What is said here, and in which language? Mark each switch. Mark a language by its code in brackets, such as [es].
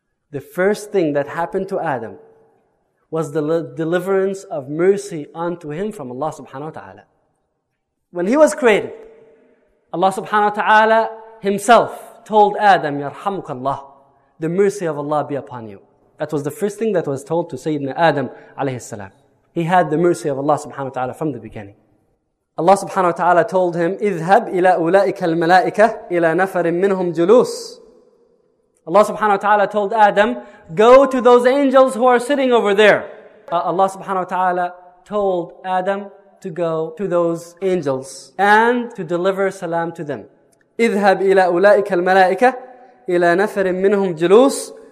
[en] The first thing that happened to Adam was the deliverance of mercy unto him from Allah subhanahu wa ta'ala. When he was created, Allah subhanahu wa ta'ala himself told Adam, Yarhamuk Allah. The mercy of Allah be upon you. That was the first thing that was told to Sayyidina Adam alayhi salam. He had the mercy of Allah subhanahu wa ta'ala from the beginning. Allah subhanahu wa ta'ala told him, [ar] اذهب إلى أولئك الملائكة إلى نفر منهم جلوس. [en] Allah subhanahu wa ta'ala told Adam, go to those angels who are sitting over there. Allah subhanahu wa ta'ala told Adam to go to those angels and to deliver salam to them. [ar] اذهب إلى أولئك الملائكة إلى نفر منهم جلوس.